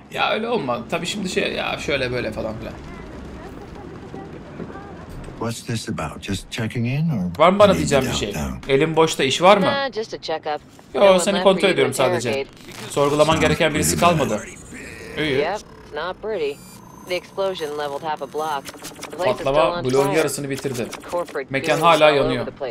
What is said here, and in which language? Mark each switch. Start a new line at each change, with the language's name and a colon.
Turkish: Ya öyle olma. Tabii şimdi şey ya şöyle böyle falan filan.
English: What's this about? Just checking in or?
Turkish: Var mı bana diyeceğim bir şey? Elim boşta iş var mı?
English: Just a checkup.
Turkish: Yo, seni kontrol ediyorum sadece. Sorgulaman gereken birisi kalmadı. İyi.
English: Yep, not pretty. The explosion leveled half a block.
Turkish: Patlama bloğun yarısını bitirdi. Mekan hala yanıyor.